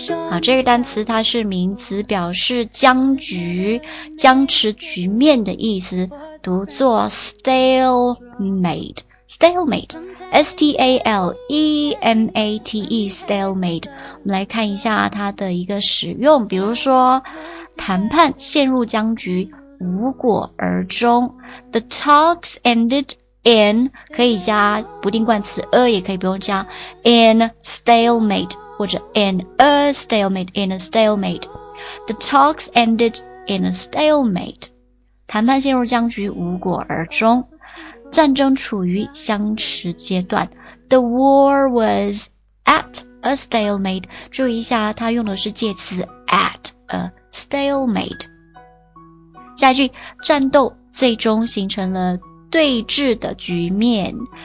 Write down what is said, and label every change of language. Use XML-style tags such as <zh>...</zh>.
<zh>好，这个单词它是名词，表示僵局、僵持局面的意思，读作 stalemate。</zh> <en>Stalemate, S-T-A-L-E-M-A-T-E, Stalemate。</en> <zh>我们来看一下它的一个使用，比如说谈判陷入僵局，无果而终。</zh> <en>The talks ended in，</en> <zh>可以加不定冠词，也可以不用加</zh> <en>in stalemate， 或者 in a stalemate， in a stalemate。 The talks ended in a stalemate，</en> <zh>谈判陷入僵局，无果而终。战争处于僵持阶段。</zh> <en>The war was at a stalemate.</en> <zh>注意一下，它用的是介词</zh> <en>at a stalemate。</en> <zh>下一句，战斗最终形成了对峙的局面。</zh>